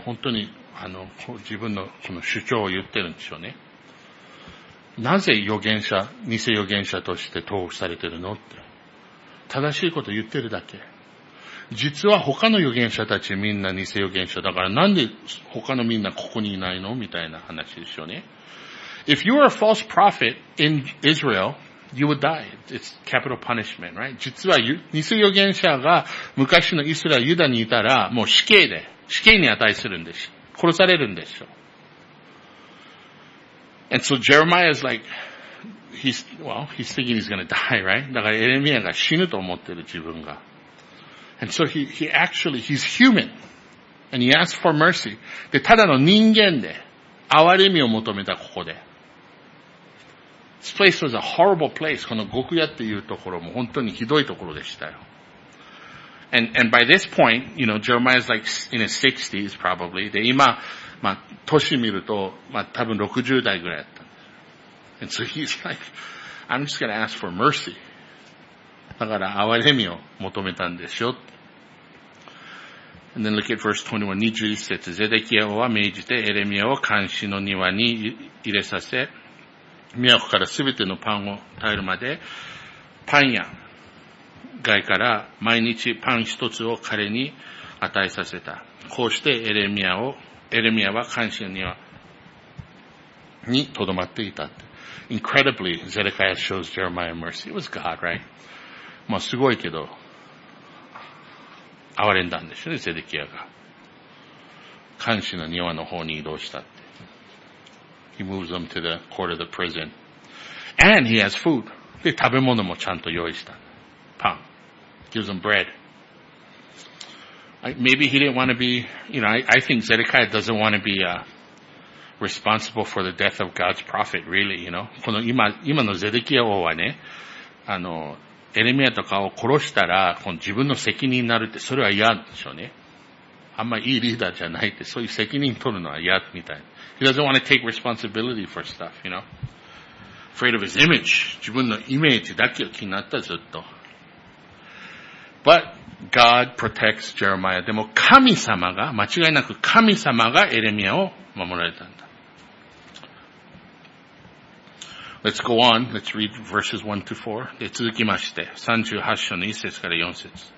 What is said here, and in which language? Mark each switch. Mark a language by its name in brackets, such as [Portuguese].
[Japanese] 本当に、自分のこの主張を言ってるんですよね。なぜ預言者、偽預言者として投獄されてるのって。正しいこと言ってるだけ。実は他の預言者たちみんな偽預言者だからなんで他のみんなここにいないのみたいな話ですよね。 [English] If you were a false prophet in Israel, you would die. It's capital punishment, right? [Japanese] 実は偽預言者が昔のイスラエルユダにいたらもう死刑で、死刑に値するんでしょ。殺されるんでしょ。 [English] And so Jeremiah is like, he's thinking he's gonna die, right? [Japanese] だからエレミアが死ぬと思ってる自分が。 [English] And so he's human. And he asked for mercy. [Japanese] で、ただの人間で、憐れみを求めた、ここで。 [English] This place was a horrible place. [Japanese] この獄屋っていうところも本当にひどいところでしたよ。 [English] And by this point, you know, Jeremiah is like in his 60s probably. [Japanese] で、今、まあ、年見ると、まあ、多分60代ぐらいだった。 [English] And so he's like, I'm just going to ask for mercy. [Japanese] だから憐れみを求めたんですよ。 [English] And then look at verse 21, 21節。 [Japanese] ゼデキヤ王は命じてエレミアを監視の庭に入れさせ、都からすべてのパンを耐えるまで、パン屋外から毎日パン一つを彼に与えさせた。こうしてエレミアは監視の庭に留まっていた。 [English] Incredibly, Zedekiah shows Jeremiah mercy. It was God, right? [Japanese] まあすごいけど、憐れんだんですよね、ゼデキヤが。監視の庭の方に移動したって。 [English] He moves them to the court of the prison. And he has food. [Japanese] で、食べ物もちゃんと用意した。 [English] パン。Gives them bread. Maybe he didn't want to be, you know, I think Zedekiah doesn't want to be, responsible for the death of God's prophet, really, you know. [Japanese] この今のゼデキヤ王はね、エレミアとかを殺したら、この自分の責任になるって、それは嫌でしょうね。あんまいいリーダーじゃないって、そういう責任取るのは嫌みたいな。 [English] He doesn't want to take responsibility for stuff, you know. Afraid of his image. [Japanese] 自分のイメージだけを気になった、ずっと。 [English] But God protects Jeremiah. [Japanese] でも神様が、間違いなく神様がエレミアを守られたんだ。 [English] Let's go on. Let's read verses 1 to 4. [Japanese] で、続きまして、38章の1節から4節。